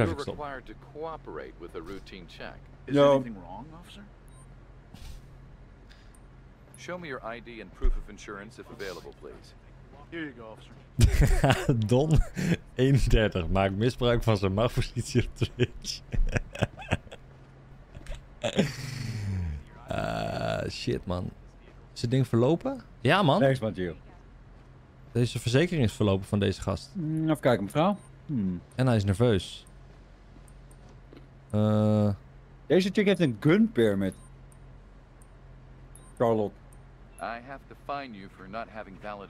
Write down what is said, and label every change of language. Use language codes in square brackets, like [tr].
[en] You're required to cooperate with a routine check. Is anything wrong, officer? Show me your ID and proof of insurance if available, please. Here you go, officer. [nl] Don 31 maakt misbruik van zijn machtspositie op Twitch. shit, man. Is het ding verlopen? Ja, man. [en] Thanks, man, Gio. [nl] Deze verzekering is verlopen van deze gast. Even kijken, mevrouw. En hij is nerveus. Deze chick heeft een gun permit. Charlotte. [en] I have to fine you for not having valid